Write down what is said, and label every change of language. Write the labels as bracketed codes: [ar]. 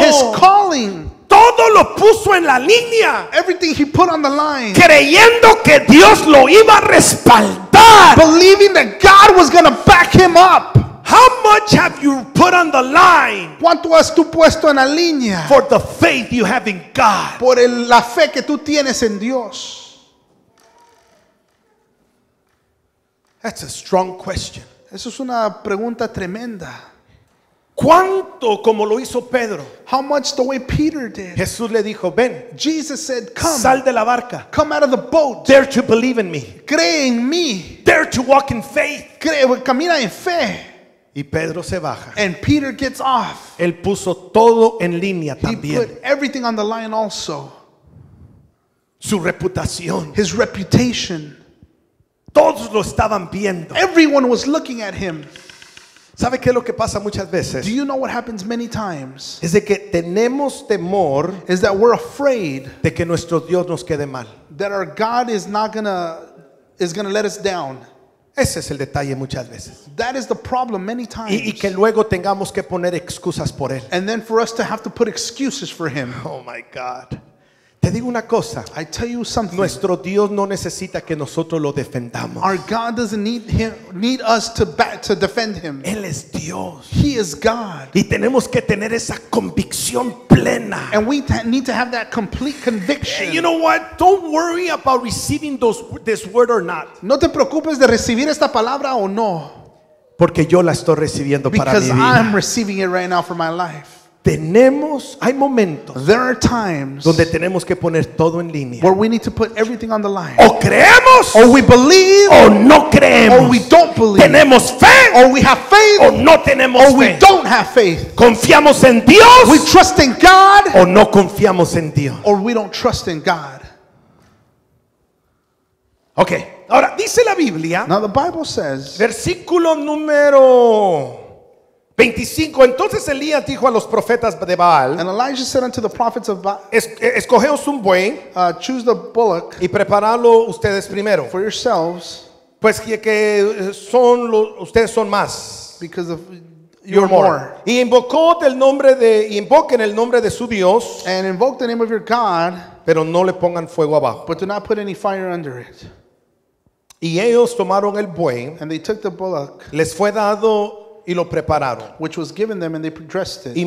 [en] His calling. [es] Todo lo puso en la línea. [en] Everything he put on the line. [es] Creyendo que Dios lo iba a respaldar. [en] Believing that God was going to back him up. How much have you put on the line? [es] ¿Cuánto has tú puesto en la línea? [en] For the faith you have in God. [es] Por la fe que tú tienes en Dios. [en] That's a strong question. [es] Eso es una pregunta tremenda. ¿Cuánto como lo hizo Pedro? [en] How much the way Peter did. [es] Jesús le dijo, ven. [en] Jesus said, come. [es] Sal de la barca. [en] Come out of the boat. Dare to believe in me. [es] Cree en mí. [en] Dare to walk in faith. [es] Camina en fe. Y Pedro se baja. [en] And Peter gets off. [es] Él puso todo en línea también. [en] He put everything on the line also. [es] Su reputación. [en] His reputation. [es] Todos lo estaban viendo. [en] Everyone was looking at him. [es] ¿Sabe qué es lo que pasa muchas veces? [en] Do you know what happens many times? [es] Es de que tenemos temor. [en] Is that we're afraid. [es] De que nuestro Dios nos quede mal. [en] That our God is gonna let us down. [es] Ese es el detalle muchas veces. [en] That is the problem many times. [es] Y que luego tengamos que poner excusas por él. [en] And then for us to have to put excuses for him. Oh my God. [es] Te digo una cosa. [en] I tell you something. [es] Nuestro Dios no necesita que nosotros lo defendamos. [en] Our God doesn't need us to defend him. [es] Él es Dios. [en] He is God. [es] Y tenemos que tener esa convicción plena. [en] And we need to have that complete conviction. You know what? Don't worry about receiving this word or not. [es] No te preocupes de recibir esta palabra o no. Porque yo la estoy recibiendo para mi vida. [en] Because I'm receiving it right now for my life. [es] Tenemos, hay momentos, [en] there are times, [es] donde tenemos que poner todo en línea, [en] where we need to put everything on the line. [es] O creemos, [en] or we believe, [es] o no creemos, [en] or we don't believe. [es] Tenemos fe, [en] or we have faith, [es] o no tenemos [en] or [es] fe. [en] We don't have faith. [es] Confiamos en Dios, [en] we trust in God, [es] o no confiamos en Dios, [en] or we don't trust in God. [es] Okay. Ahora dice la Biblia. [en] Now the Bible says. [es] Versículo número 25. Entonces Elías dijo a los profetas de Baal. [en] And Elijah said unto the prophets of Baal. [es] Escogeos un buey. [en] Choose the bullock. [es] Y preparadlo ustedes primero. [en] For yourselves. [es] Pues que son ustedes son más. [en] Because of you're more. [es] Y invocó el nombre de invoquen el nombre de su Dios. [en] And invoke the name of your God. [es] Pero no le pongan fuego abajo. [en] But do not put any fire under it. [es] Y ellos tomaron el buey. [en] And they took the bullock. [es] Les fue dado y lo prepararon. [en] Which was given them and they dressed it.